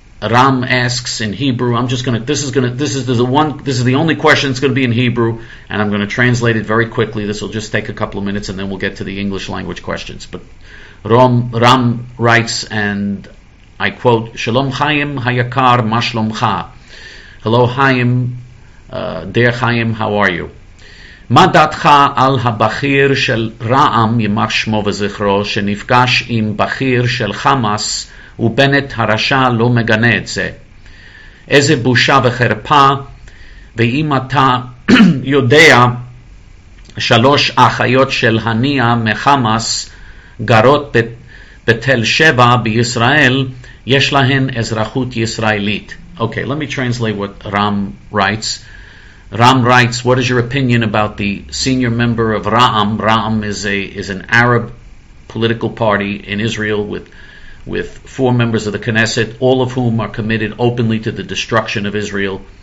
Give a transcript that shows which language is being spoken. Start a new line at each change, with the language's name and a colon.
English: Ram asks in Hebrew. This is the only question that's going to be in Hebrew, and I'm going to translate it very quickly. This will just take a couple of minutes, and then we'll get to the English language questions. But Ram writes, and I quote:
Hebrew: Shalom Chaim Hayakar Mashlomcha.
English: Hello Chaim, dear Chaim, how are you?
Hebrew: מה דעתך על הבחיר של רעם, ימח שמו וזכרו, שנפגש עם בחיר של חמאס, ובנט הרשע לא מגנה את זה? איזה בושה וחרפה, ואם אתה יודע, שלוש אחיות של הניה מחמאס, גרות בתל שבע בישראל, יש להן אזרחות ישראלית.
English: Okay, let me translate what Ram writes. Ram writes, what is your opinion about the senior member of Ra'am? Ra'am is an Arab political party in Israel with four members of the Knesset, all of whom are committed openly to the destruction of Israel.